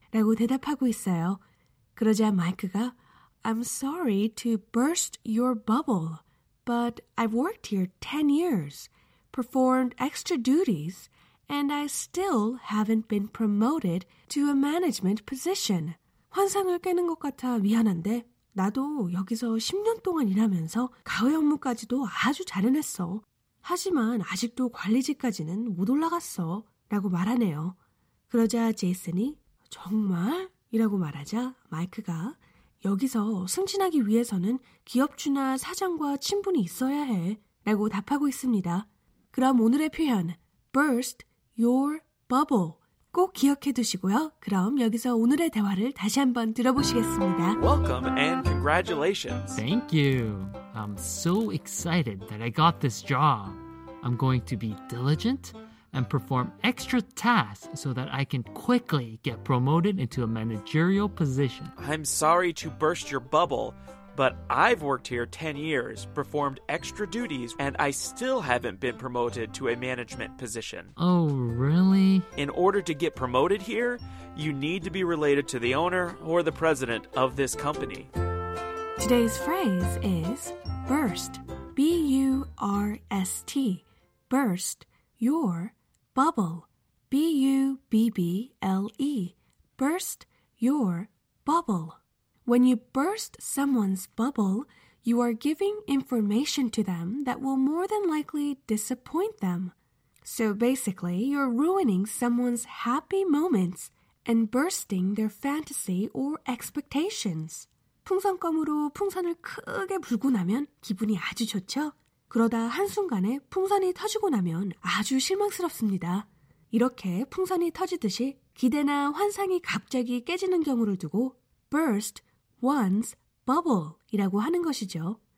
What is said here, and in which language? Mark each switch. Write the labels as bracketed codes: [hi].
[ko] 라고 대답하고 있어요. 그러자 마이크가 [en] I'm sorry to burst your bubble, but I've worked here 10 years, performed extra duties, and I still haven't been promoted to a management position. [ko] 환상을 깨는 것 같아 미안한데 나도 여기서 10년 동안 일하면서 가회 업무까지도 아주 잘은 했어. 하지만 아직도 관리직까지는 못 올라갔어. 라고 말하네요. 그러자 제이슨이 정말? 이라고 말하자 마이크가 여기서 승진하기 위해서는 기업주나 사장과 친분이 있어야 해. 라고 답하고 있습니다. 그럼 오늘의 표현 [en] burst your bubble [ko] 꼭 기억해 두시고요. 그럼 여기서 오늘의 대화를 다시 한번 들어보시겠습니다. [en] Welcome and congratulations. Thank you. I'm so excited that I got this job. I'm going to be diligent and perform extra tasks so that I can quickly get promoted into a managerial position. I'm sorry to burst your bubble, but I've worked here 10 years, performed extra duties, and I still haven't been promoted to a management position. Oh, really? In order to get promoted here, you need to be related to the owner or the president of this company. Today's phrase is burst, B-U-R-S-T, burst your bubble, B-U-B-B-L-E, burst your bubble. When you burst someone's bubble, you are giving information to them that will more than likely disappoint them. So basically, you're ruining someone's happy moments and bursting their fantasy or expectations. [ko] 풍선껌으로 풍선을 크게 불고 나면 기분이 아주 좋죠? 그러다 한순간에 풍선이 터지고 나면 아주 실망스럽습니다. 이렇게 풍선이 터지듯이 기대나 환상이 갑자기 깨지는 경우를 두고 [en] burst one's bubble [ko] 이라고 하는 것이죠.